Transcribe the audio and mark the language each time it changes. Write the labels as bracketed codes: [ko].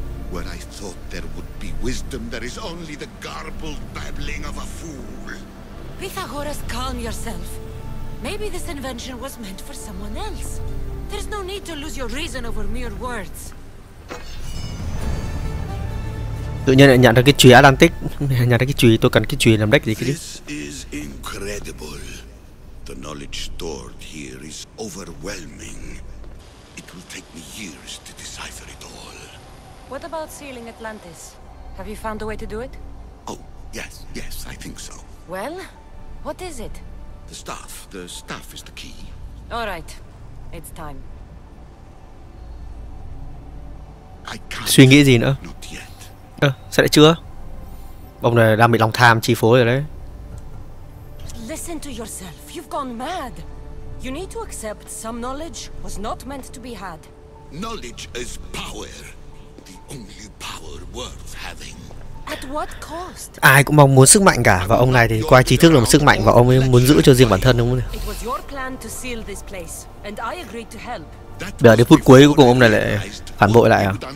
[en] Where I thought there would be wisdom, there is only the garbled babbling of a fool. Pythagoras, calm yourself. Maybe this invention was meant for someone else. There's no need to lose your reason over mere words. [vi] Tự nhiên lại nhận ra cái chùy Atlantic, nhận ra cái chùy, tôi cần cái chùy làm đách gì cái đi. [en] This is incredible. The knowledge stored here is overwhelming. It will take me years to decipher it all. What about sealing Atlantis? Have you found a way to do it? Oh, yes, yes, I think so. Well, what is it? The staff is the key. All right, it's time. I can't. [vi] Suy nghĩ gì nữa? [en] Not yet. [vi] Sao lại chưa? Ông này đang bị lòng tham chi phối rồi đấy. [en] Listen to yourself. You've gone mad. You need to accept some knowledge was not meant to be had. Knowledge is power. The only power worth having. At what cost? [vi] Ai cũng mong muốn sức mạnh cả. Và ông này thì coi trí thức là một sức mạnh và ông ấy muốn giữ cho riêng bản thân đúng không? [en] It was your plan to seal this place, and I agreed to help. [vi] Để đến phút cuối cuối cùng ông này lại phản bội lại à?